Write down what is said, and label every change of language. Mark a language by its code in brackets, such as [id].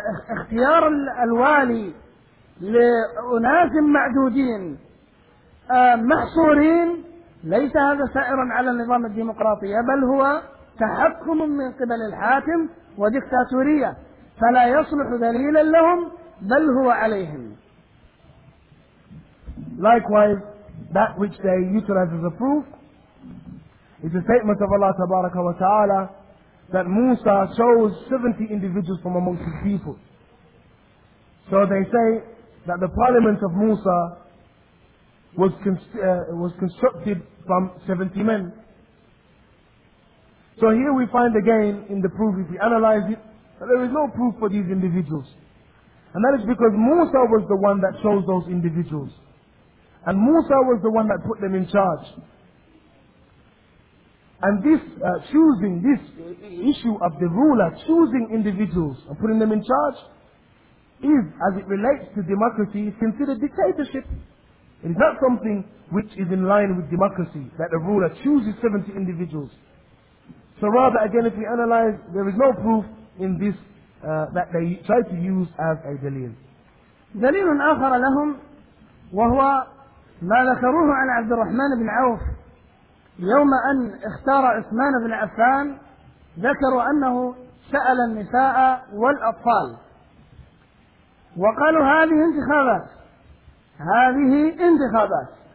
[ar] اختيار الوالي لأناس معدودين محصورين ليس هذا سائرا على النظام الديمقراطي، بل هو تحكم من قبل الحاكم وديكتاتورية، فلا يصلح دليلا لهم بل هو عليهم. [en] Likewise, that which they utilize as a proof is a statement of Allah Tabaraka wa Ta'ala that Musa chose 70 individuals from amongst his people. So they say that the parliament of Musa was constructed from 70 men. So here we find again in the proof, if we analyze it, that there is no proof for these individuals. And that is because Musa was the one that chose those individuals. And Musa was the one that put them in charge. And this choosing, this issue of the ruler choosing individuals and putting them in charge is, as it relates to democracy, considered dictatorship. It is not something which is in line with democracy, that the ruler chooses 70 individuals. So rather, again, if we analyze, there is no proof in this that they try to use as a dalil. [ar] دليل آخر لهم وهو ما ذكروه عن عبد الرحمن بن عوف يوم أن اختار عثمان بن عفان، ذكروا أنه سأل النساء والأطفال وقالوا هذه انتخابات، هذه انتخابات.